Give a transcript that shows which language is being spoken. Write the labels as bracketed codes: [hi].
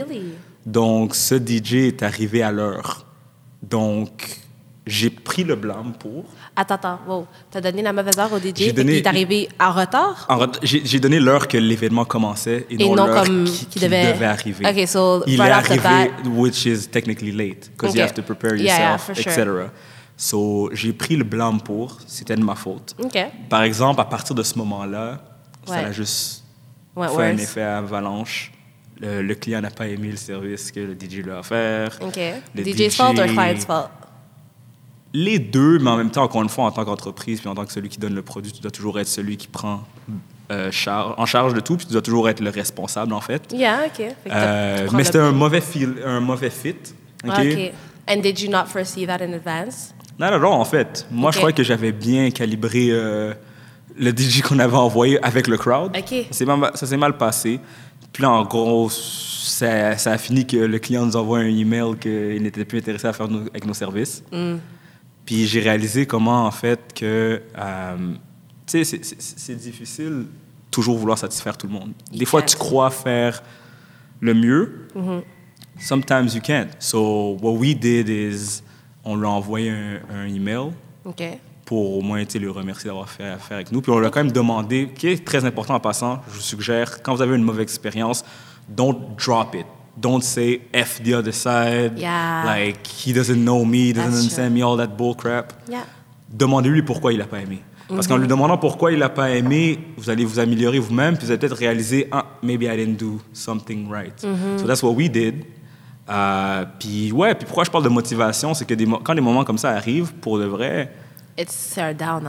[en] Really? [fr] Donc, ce DJ est arrivé à l'heure. Donc, j'ai pris le blâme pour... Attends. Wow. T'as donné la mauvaise heure au DJ et il est arrivé en retard? J'ai donné l'heure que l'événement commençait et non l'heure qu'il devait arriver. [en] Okay, so [fr] il [en] right [fr] est arrivé, [en] which is technically late, because you have to prepare yourself, etc. Sure. [fr] So, j'ai pris le blâme pour, c'était de ma faute. [en] Okay. [fr] Par exemple, à partir de ce moment-là, ça a juste fait un effet avalanche. Le client n'a pas aimé le service que le DJ lui a offert. [en] Okay. [fr] Le [en] DJ's fault or client's fault? [fr] Les deux, mais en même temps, encore une fois, en tant qu'entreprise, puis en tant que celui qui donne le produit, tu dois toujours être celui qui prend en charge de tout, puis tu dois toujours être le responsable, en fait. [en] Yeah, OK. [fr] Mais c'était un mauvais fit. Okay? [en] OK. And did you not foresee that in advance? [fr] Non, en fait. Moi, je croyais que j'avais bien calibré le DJ qu'on avait envoyé avec le crowd. OK. Ça s'est mal passé. Puis là, en gros, ça a fini que le client nous envoie un email qu'il n'était plus intéressé à faire avec nos services. Puis j'ai réalisé comment, en fait, que, tu sais, c'est difficile toujours vouloir satisfaire tout le monde. Des fois, tu crois faire le mieux. [en] Sometimes you can't. So, what we did is, [fr] on lui a envoyé un email pour au moins, tu sais, le remercier d'avoir fait affaire avec nous. Puis on lui a quand même demandé, qui est très important en passant, je vous suggère, quand vous avez une mauvaise expérience, [en] don't drop it. Don't say F the other side. Yeah. Like, he doesn't know me, he doesn't understand me, all that bull crap. Yeah. [fr] Demandez-lui pourquoi il n'a pas aimé. Parce qu'en lui demandant pourquoi il n'a pas aimé, vous allez vous améliorer vous-même, puis vous allez peut-être réaliser, [en] ah, maybe I didn't do something right. So that's what we did. [fr] Puis pourquoi je parle de motivation, c'est que quand des moments comme ça arrivent, pour de vrai... [en] It's a down, hein?